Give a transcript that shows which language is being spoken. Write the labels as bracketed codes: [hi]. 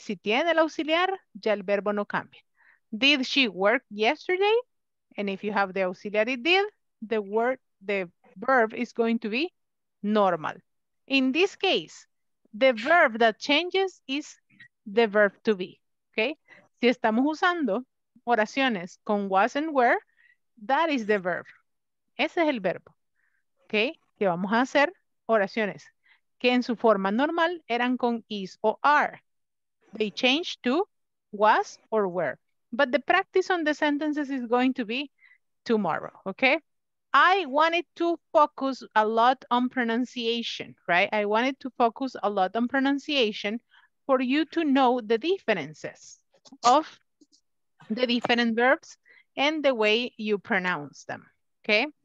[es] Si tiene el auxiliar, ya el verbo no cambia. [en] Did she work yesterday? And if you have the auxiliary did, the verb is going to be normal. In this case, the verb that changes is the verb to be, okay? [es] Si estamos usando oraciones con was and were, [en] that is the verb. [es] Ese es el verbo, okay? Que vamos a hacer oraciones que en su forma normal eran con is o are. [en] They change to was or were. But the practice on the sentences is going to be tomorrow, okay? I wanted to focus a lot on pronunciation, right? I wanted to focus a lot on pronunciation for you to know the differences of the different verbs and the way you pronounce them, okay?